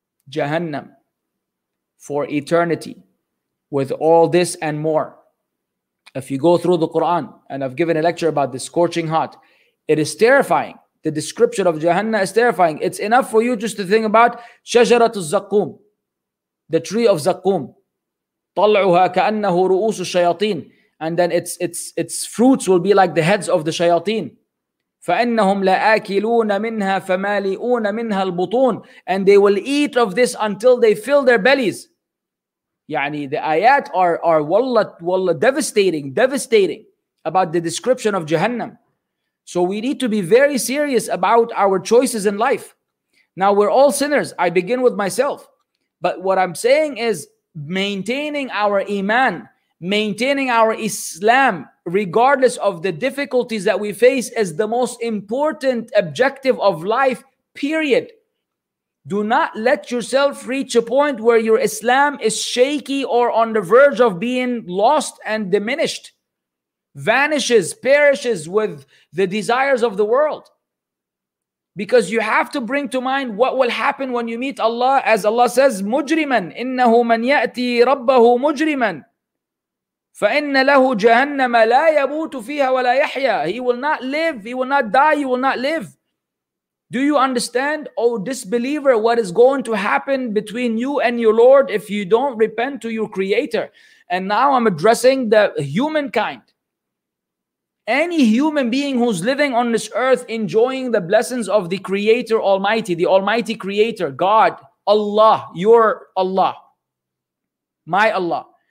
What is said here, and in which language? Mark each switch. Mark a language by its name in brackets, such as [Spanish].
[English] Jahannam, for eternity, with all this and more. If you go through the Quran, and I've given a lecture about the scorching hot, it is terrifying. The description of Jahannam is terrifying. It's enough for you just to think about Shajarat al-Zakkum, the tree of Zakkum. [Arabic] طلعها كأنه رؤوس الشياطين. [English] And then its fruits will be like the heads of the shayateen. [Arabic] فَإِنَّهُمْ لَآكِلُونَ مِنْهَا فَمَالِئُونَ مِنْهَا الْبُطُونَ [English] And they will eat of this until they fill their bellies. يعني the ayat are wallah devastating about the description of Jahannam. So we need to be very serious about our choices in life. Now we're all sinners. I begin with myself. But what I'm saying is maintaining our iman, maintaining our Islam, regardless of the difficulties that we face is the most important objective of life, period. Do not let yourself reach a point where your Islam is shaky or on the verge of being lost and diminished. Vanishes, perishes with the desires of the world. Because you have to bring to mind what will happen when you meet Allah, as Allah says, [Arabic] مُجْرِمًا إِنَّهُ مَنْ يَأْتِي رَبَّهُ مُجْرِمًا فإن له جهنم لا يموت فيها ولا يحيى. [English] He will not live, he will not die, he will not live. Do you understand, O disbeliever, what is going to happen between you and your Lord if you don't repent to your Creator? And now I'm addressing the humankind. Any human being who's living on this earth enjoying the blessings of the Creator Almighty, the Almighty Creator, God, Allah, your Allah, my Allah.